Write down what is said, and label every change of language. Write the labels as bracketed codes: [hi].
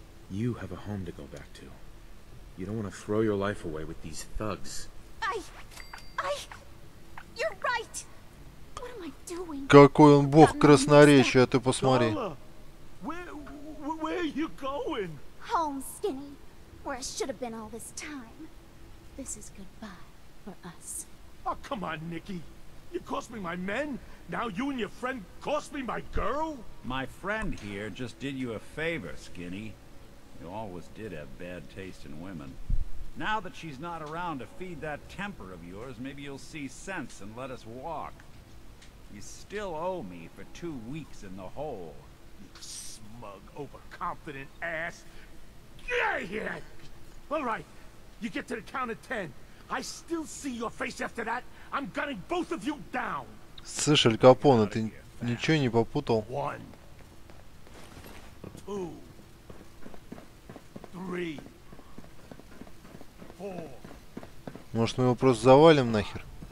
[en] You have a home to go back to. You don't want to throw your life away with these thugs. I... You're right! What am I doing? [ru] Какой он бог красноречия, ты посмотри. [en] Where are you going? Home, Skinny. Where I should have been all this time. This is goodbye for us. Oh, come on, Nikki. You cost me my men. Now you and your friend cost me my girl. My friend here just did you a favor, Skinny. You always did have bad taste in women. Now that she's not around to feed that temper of yours, maybe you'll see sense and let us walk. You still owe me for 2 weeks in the hole. You smug, overconfident ass. Get out of here! All right, you get to the count of 10. I still see your face after that. I'm gunning both of you down. [ru] Слышь, Аль Капоне, ты ничего не попутал? [en] One. Two. Three. Four. [ru] Может, мы его просто завалим нахер?